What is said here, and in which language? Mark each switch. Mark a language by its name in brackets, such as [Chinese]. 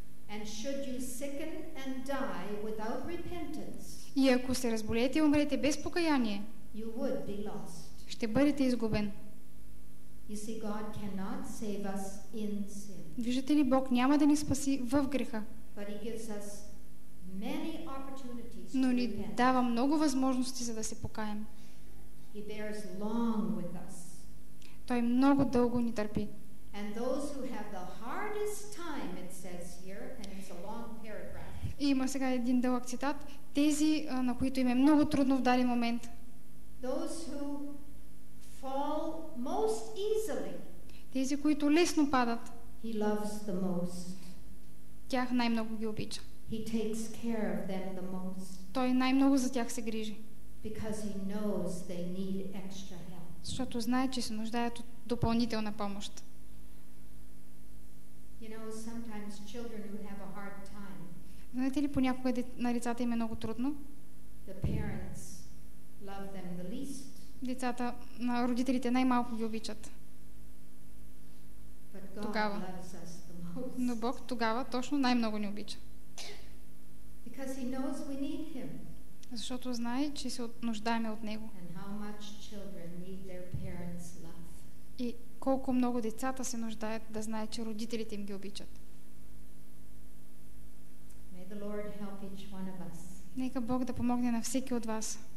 [English] And should you sicken and die without repentance, [Bulgarian] и ако се разболеете и умрете без покаяние, [English] you would be lost. [Bulgarian] Ще бъдете изгубен. [English] You see, God cannot save us in sin. [Bulgarian] Виждате ли, Бог няма да ни спаси в греха. [English] But he gives us many opportunities to repent. [Bulgarian] Но ни дава много възможности, за да се покаем. [English] He bears long with us. [Bulgarian] Той много дълго ни търпи. [English] And those who have the hardest time, it says here, and it's a long paragraph. [Bulgarian] И има сега един дълъг цитат. Тези, на които им е много трудно в даден момент. [English] Those who fall most easily. [Bulgarian] Тези, които лесно падат. [English] He loves the most. [Bulgarian] Тях най-много ги обича. [English] He takes care of them the most. [Bulgarian] Той най-много за тях се грижи. [English] Because he knows they need extra help. [Bulgarian] Защото знае, че се нуждаят от допълнителна помощ. [English] You know, sometimes children who have a hard time. [Bulgarian] Знаете ли, понякога на децата им е много трудно? [English] The parents love them the least. [Bulgarian] Децата, на родителите най-малко ги обичат. [English] But God [Bulgarian] тогава. [English] Loves us the most. [Bulgarian] Но Бог тогава точно най-много ни обича. [English] Because he knows we need him. [Bulgarian] Защото знае, че се нуждаем от него. [English] And how much children need their parents' love. [Bulgarian] И колко много децата се нуждаят да знаят, че родителите им ги обичат. [English] May the Lord help each one of us. [Bulgarian] Нека Бог да помогне на всеки от вас.